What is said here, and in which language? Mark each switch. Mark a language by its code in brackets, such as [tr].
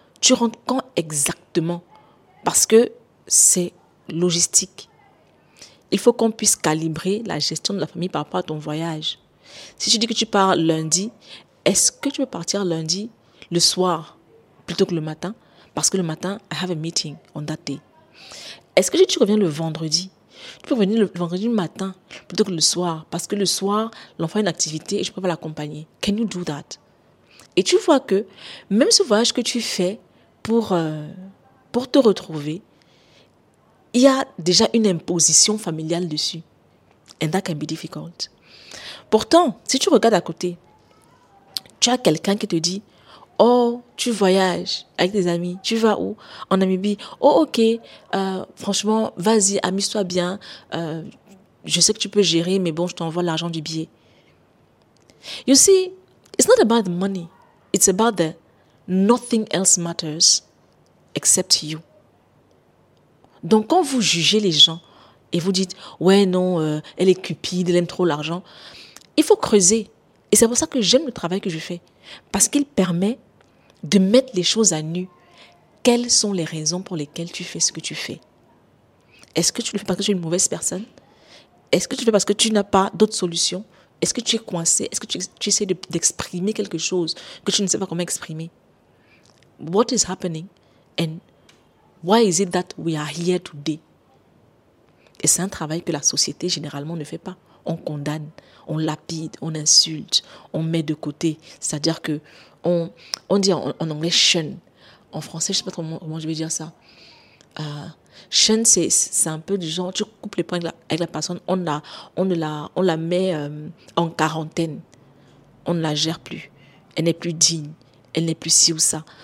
[fr] Tu rentres quand exactement? Parce que c'est logistique. Il faut qu'on puisse calibrer la gestion de la famille par rapport à ton voyage. Si tu dis que tu pars lundi, est-ce que tu veux partir lundi, le soir, plutôt que le matin? Parce que le matin, [en] I have a meeting on that day. [fr] Est-ce que tu reviens le vendredi? Tu peux venir le vendredi matin plutôt que le soir, parce que le soir, l'enfant a une activité et je ne peux pas l'accompagner. [en] Can you do that? [fr] Et tu vois que même ce voyage que tu fais pour te retrouver, il y a déjà une imposition familiale dessus. [en] And that can be difficult. [fr] Pourtant, si tu regardes à côté, tu as quelqu'un qui te dit, oh, tu voyages avec des amis. Tu vas où? En Namibie. Oh, ok. Franchement, vas-y, amuse-toi bien. Je sais que tu peux gérer, mais bon, je t'envoie l'argent du billet. [en] You see, it's not about the money. It's about the nothing else matters except you. [fr] Donc, quand vous jugez les gens et vous dites, ouais, non, elle est cupide, elle aime trop l'argent, il faut creuser. Et c'est pour ça que j'aime le travail que je fais. Parce qu'il permet de mettre les choses à nu. Quelles sont les raisons pour lesquelles tu fais ce que tu fais? Est-ce que tu le fais parce que tu es une mauvaise personne? Est-ce que tu le fais parce que tu n'as pas d'autre solution? Est-ce que tu es coincé? Est-ce que tu essaies d'exprimer quelque chose que tu ne sais pas comment exprimer? [en] What is happening? And why is it that we are here today? [fr] Et c'est un travail que la société généralement ne fait pas. On condamne, on lapide, on insulte, on met de côté. C'est-à-dire que on dit en anglais « shun ». En français, je ne sais pas trop comment je vais dire ça. « Shun », c'est un peu du genre, tu coupes les points avec la personne, on la met en quarantaine. On ne la gère plus. Elle n'est plus digne. Elle n'est plus ci ou ça.